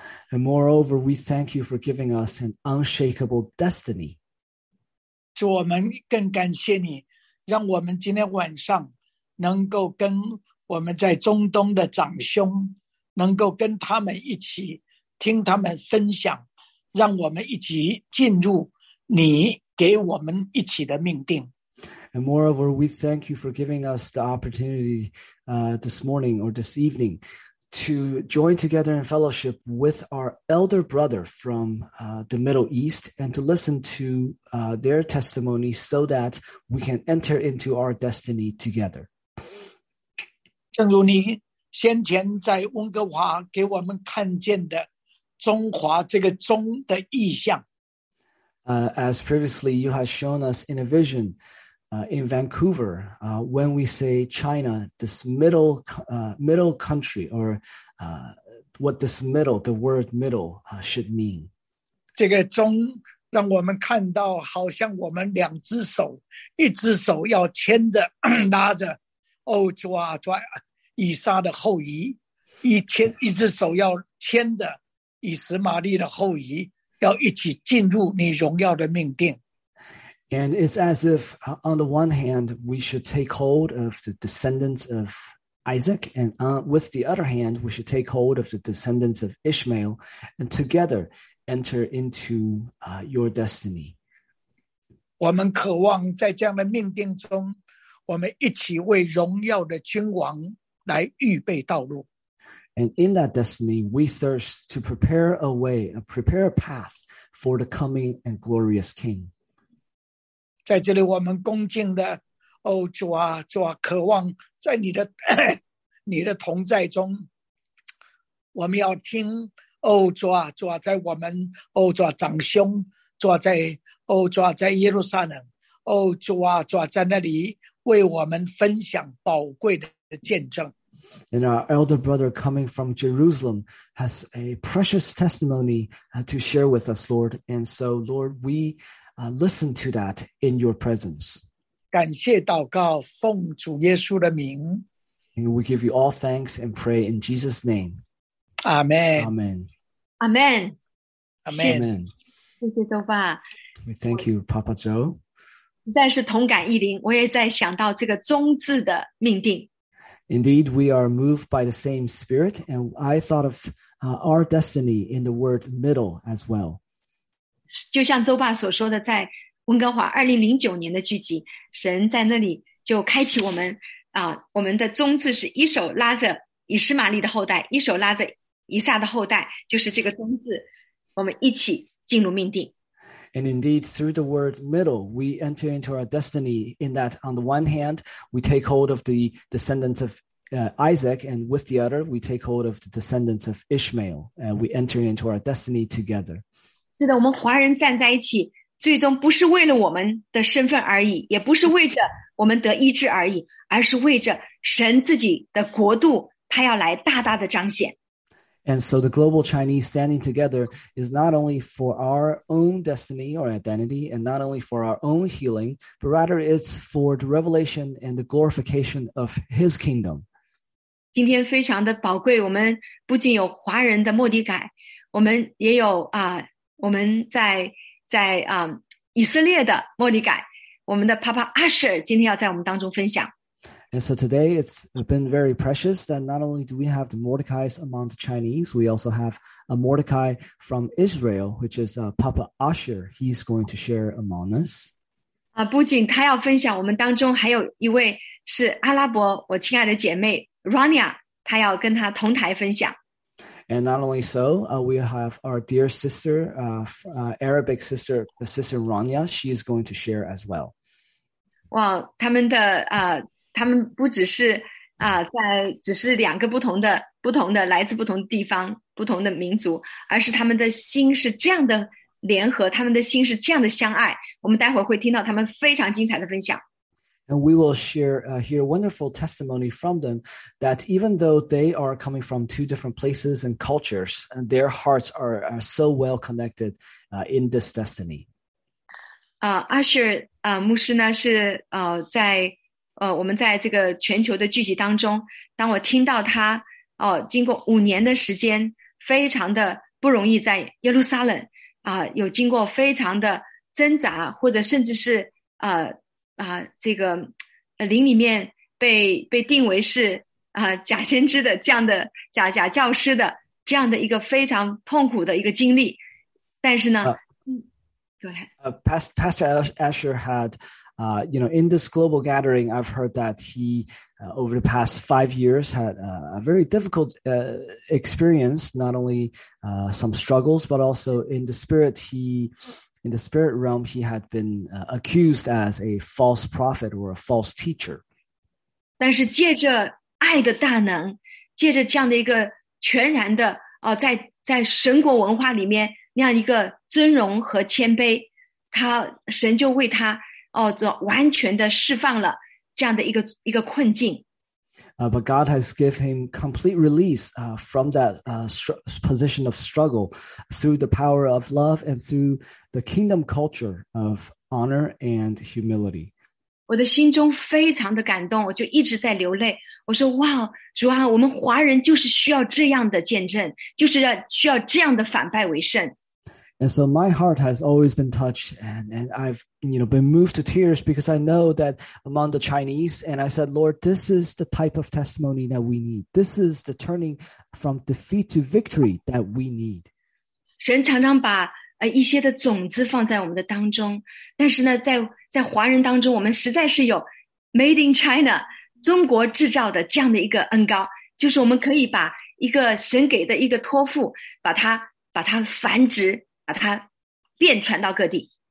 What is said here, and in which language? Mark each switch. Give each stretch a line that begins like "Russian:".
English: And moreover, we thank you for giving us an unshakable destiny.
Chinese: 主，我们更感谢你，让我们今天晚上能够跟我们在中东的长兄，能够跟他们一起听他们分享，让我们一起进入你给我们一起的命定。
English: And moreover, we thank you for giving us the opportunity this morning or this evening to join together in fellowship with our elder brother from the Middle East and to listen to their testimony so that we can enter into our destiny together.
Chinese: 正如你先前在温哥华给我们看见的中华这个中的意象。
English: As previously you have shown us in a vision, in Vancouver, when we say China, this middle, middle country, or what this middle, the word middle, should mean.
Chinese: 这个中让我们看到好像我们两只手，一只手要牵着拉着，哦，主啊，主啊，以撒的后裔，一只手要牵着以实玛利的后裔，要一起进入你荣耀的命定。
English: And it's as if, on the one hand, we should take hold of the descendants of Isaac, and with the other hand, we should take hold of the descendants of Ishmael, and together enter into your destiny.
Chinese: 我们渴望在这样的命定中，我们一起为荣耀的君王来预备道路。
English: And in that destiny, we thirst to prepare a way, prepare a path for the coming and glorious king.
Chinese: 在这里我们恭敬的哦，主啊，主啊，渴望在你的你的同在中，我们要听哦，主啊，主啊，在我们哦，主啊，长兄，主啊，在哦，主啊，在耶路撒冷，哦，主啊，主啊，在那里为我们分享宝贵的见证。
English: And our elder brother coming from Jerusalem has a precious testimony to share with us, Lord. And so, Lord, we listen to that in your presence.
Chinese: 感谢祷告，奉主耶稣的名。
English: And we give you all thanks and pray in Jesus' name. Amen. Amen. Amen. Amen. Amen.
Chinese: 谢谢周爸。
English: We thank you, Papa Joe.
Chinese: 实在是同感一灵，我也在想到这个宗字的命定。
English: Indeed, we are moved by the same spirit, and I thought of our destiny in the word middle as well.
Chinese: 就像周爸所说的，在温哥华2009年的聚集，神在那里就开启我们，我们的宗字是一手拉着以实玛利的后代，一手拉着以撒的后代，就是这个宗字，我们一起进入命定。
English: And indeed, through the word middle, we enter into our destiny in that on the one hand, we take hold of the descendants of Isaac, and with the other, we take hold of the descendants of Ishmael, and we enter into our destiny together.
Chinese: 是的，我们华人站在一起，最终不是为了我们的身份而已，也不是为着我们得医治而已，而是为着神自己的国度，他要来大大的彰显。
English: And so the global Chinese standing together is not only for our own destiny or identity, and not only for our own healing, but rather it's for the revelation and the glorification of His kingdom.
Chinese: 今天非常的宝贵，我们不仅有华人的莫迪改，我们也有我们在以色列的莫迪改，我们的 Papa Asher 今天要在我们当中分享。
English: And so today it's been very precious that not only do we have the Mordecais among the Chinese, we also have a Mordecai from Israel, which is Papa Asher. He's going to share among us.
Chinese: 不仅他要分享，我们当中还有一位是阿拉伯，我亲爱的姐妹 Rania, 她要跟她同台分享。
English: And not only so, we have our dear sister, Arabic sister, sister Rania, she is going to share as well.
Chinese: Wow, 他们的他们不只是在只是两个不同的来自不同地方不同的民族，而是他们的心是这样的联合，他们的心是这样的相爱。我们待会儿会听到他们非常精彩的分享。
English: And we will share hear wonderful testimony from them that even though they are coming from two different places and cultures, and their hearts are so well connected in this destiny.
Chinese: Asher 牧师呢是在。我们在这个全球的聚集当中，当我听到他经过五年的时间，非常的不容易，在耶路撒冷有经过非常的挣扎，或者甚至是这个灵里面被定为是假先知的这样的假教师的这样的一个非常痛苦的一个经历，但是呢，
English: go ahead. Pastor Asher had. You know, in this global gathering, I've heard that he, over the past 5 years, had a very difficult experience, not only some struggles, but also in the spirit realm, he had been accused as a false prophet or a false teacher.
Chinese: 但是借着爱的大能，借着这样的一个全然的，在神国文化里面，那样一个尊荣和谦卑，他，神就为他完全的释放了这样的一个困境。
English: But God has given him complete release from that position of struggle through the power of love and through the kingdom culture of honor and humility.
Chinese: 我的心中非常的感动，我就一直在流泪。我说：“哇，主啊，我们华人就是需要这样的见证，就是要需要这样的反败为胜。”
English: And so my heart has always been touched and I've, you know, been moved to tears because I know that among the Chinese, and I said, Lord, this is the type of testimony that we need. This is the turning from defeat to victory that we need.
Chinese: 神常常把一些的种子放在我们的当中，但是呢，在华人当中，我们实在是有
English: made in China,
Chinese: 中国制造的这样的一个恩膏，就是我们可以把一个神给的一个托付，把它繁殖。把它遍传到各地。